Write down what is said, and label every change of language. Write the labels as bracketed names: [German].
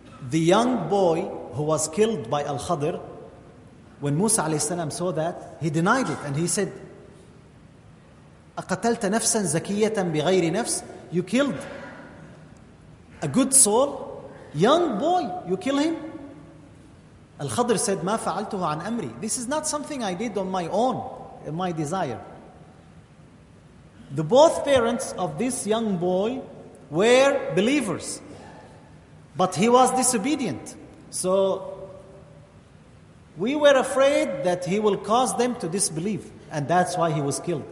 [English] The young boy who was killed by Al-Khadr, when Musa alayhi salam saw that, he denied it and he said, [Arabic] أَقَتَلْتَ نَفْسًا زَكِيَّةً بِغَيْرِ نَفْسٍ. [English] You killed a good soul, young boy, you kill him. [Arabic] Al-Khadr said, مَا فَعَلْتُهُ عَنْ أَمْرِي. [English] This is not something I did on my own, in my desire. The both parents of this young boy were believers, but he was disobedient. So we were afraid that he will cause them to disbelieve, and that's why he was killed.